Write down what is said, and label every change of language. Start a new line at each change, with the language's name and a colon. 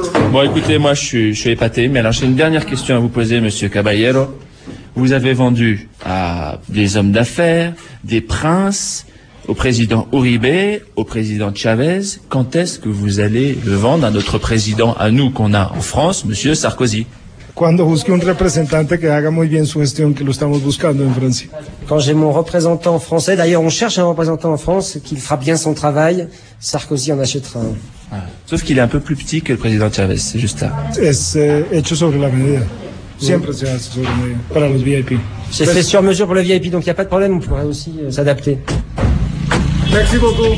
French: Bon, écoutez, moi je suis épaté, mais alors j'ai une dernière question à vous poser, monsieur Caballero. Vous avez vendu à des hommes d'affaires, des princes, au président Uribe, au président Chavez, quand est-ce que vous allez le vendre à notre président à nous qu'on a en France, monsieur Sarkozy?
Spanish: Cuando busque un representante que haga muy bien su gestión que lo estamos buscando en Francia.
French: Quand j'ai mon représentant français, d'ailleurs on cherche un représentant en France qui fera bien son travail, Sarkozy en achètera un. Sauf qu'il est un peu plus petit que le président Chavez, c'est juste ça.
Spanish: Es hecho sobre la medida. Siempre se hace sobre la medida para los VIP.
French: C'est fait sur mesure pour le VIP, donc il y a pas de problème, on pourrait aussi s'adapter. Merci beaucoup.